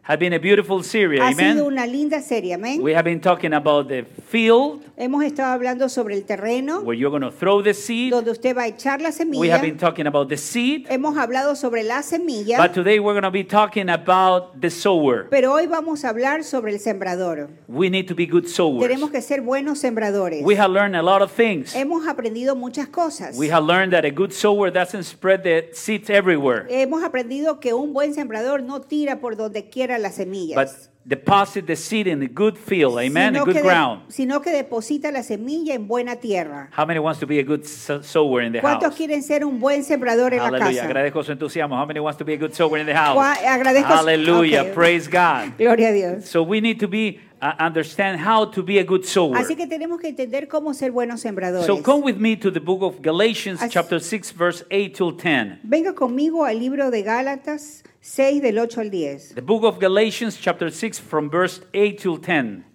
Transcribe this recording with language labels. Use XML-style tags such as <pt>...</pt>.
<en>Has been a beautiful series.</en> <es>Ha amen. Sido una linda serie, amen.</es> <en>We have been talking about the field.</en> <es>Hemos estado hablando sobre el terreno.</es> <en>Where you're going to throw the seed.</en> <es>Donde usted va a echar la semilla.</es> <en>We have been talking about the seed.</en> <es>Hemos hablado sobre la semilla.</es> <en>But today we're going to be talking about the sower.</en> <es>Pero hoy vamos a hablar sobre el sembrador.</es> <en>We need to be good sowers.</en> <es>Tenemos que ser buenos sembradores.</es> <en>We have learned a lot of things.</en> <es>Hemos aprendido muchas cosas.</es> <en>We have learned that a good sower doesn't spread the seeds everywhere.</en> <es>Hemos aprendido que un buen sembrador no tira por donde quiera las semillas.</es> <en>But deposit the seed in a good field, amen, a good ground.</en> <es>Sino que deposita la semilla en buena tierra.</es> <en>How many wants to be a good sower in the</en> <es>¿Cuántos</es> <en>house?</en> <es>¿Cuántos quieren ser un buen sembrador en</es> <en>Hallelujah.</en> <es>La casa? Agradezco su entusiasmo.</es> <en>How many wants to be a good sower in the house?</en> <es>Agradezco.</es> <en>Hallelujah. Okay. Praise God.</en> <es>Gloria a Dios.</es> <en>So we need to be understand how to be a good sower.</en> <es>Así que tenemos que entender cómo ser buenos sembradores.</es> <en>So come with me to the book of Galatians, chapter 6, verse 8 to 10.</en> <es>Venga conmigo al libro de Gálatas 6, del 8 al 10.</es> <en>The book of Galatians, chapter 6, from verse 8 to 10.</en>